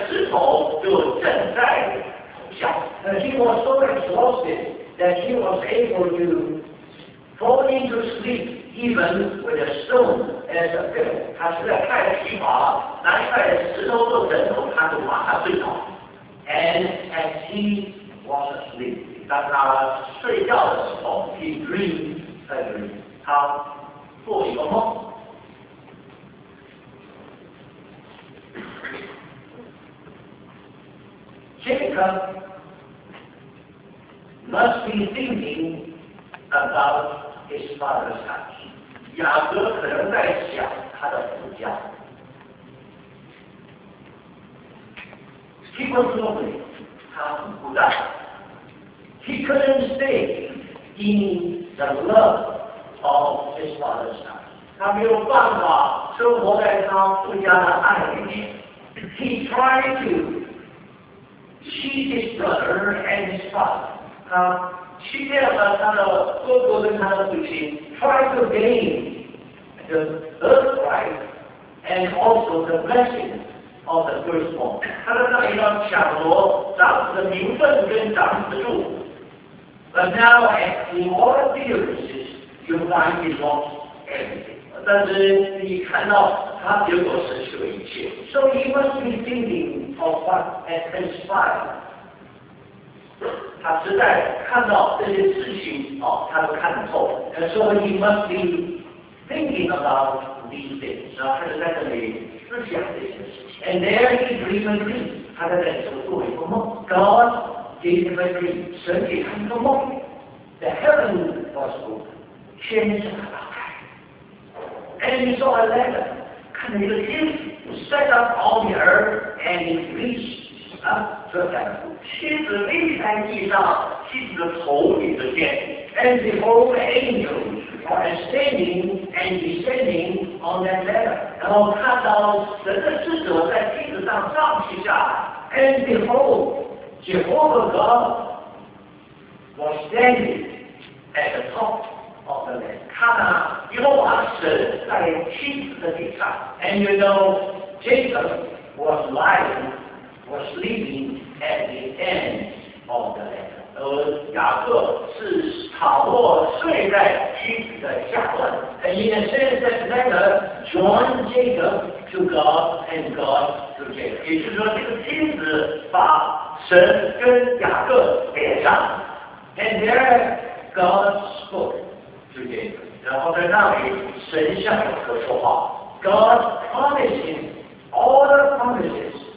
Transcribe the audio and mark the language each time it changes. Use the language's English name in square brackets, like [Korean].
[Chinese] 所以在地上长了一块石头，就正在下。 [English] He was so exhausted that he was able to fall into sleep even with a stone as a pillow. [Chinese] 他实在太疲乏，拿一块石头做枕头，他就马上睡着。 [English] And as he was asleep, [Chinese] 当他睡觉的时候， [English] he dreamed a dream. [Chinese] 他做一个梦。 [English] Jacob must be thinking about his father's house. [Chinese] 雅各可能在想他的父家。 [English] He was lonely. [Chinese] 他很孤单。 [English] He couldn't stay in the love of his father's house. [Chinese] 他没有办法生活在他父家的爱里。 [English] He tried to cheat his brother and his father. [Chinese] 欺骗了他的哥哥跟他的父亲。 [English] Try to gain the birthright and also the blessing of the firstborn. [Chinese] 他在那里要抢夺长子的名分跟长子的祝福。 [English] But now, in all appearances, you find he lost everything. [Chinese] 但是你看到他结果失去了一切。 [English] So he must be thinking of what had transpired. [Chinese] 他实在看到这些事情、哦、他都看得透。 [English] And so he must be thinking about these things. [Chinese] 然后他就在这里思想这些事情。 [English] And there he dreamed a dream. [Chinese] 他在这里做了一个梦。 [English] God gave him a dream. [Chinese] 神给他一个梦。 [English] The heaven was open. [Chinese] 天是打开。 [English] And he saw a ladder. [Chinese] 看到一个梯子 [English] set up on the earth and it reached. [Chinese] 妻子立在地上，妻子的头顶着天。 [English] And behold, angels are ascending and descending on that ladder. [Chinese] 然后看到神的使者在梯子上上去下。 [English] And behold, Jehovah God was standing at the top of the ladder. [Chinese] 看啊，耶和华神在梯子的顶上。 [English] And you know, Jacob was lying. Was sleeping at the end of the ladder. [Chinese] 雅各是躺卧睡在梯子的下端。 [English] And in a sense, that ladder joined Jacob to God and God to Jacob. [Chinese] 也就是说，这个梯子把神跟雅各连上。 [English] And there God spoke to Jacob. [Chinese] 然后在那里，神向雅各说话。 [English] God promised him all the promises.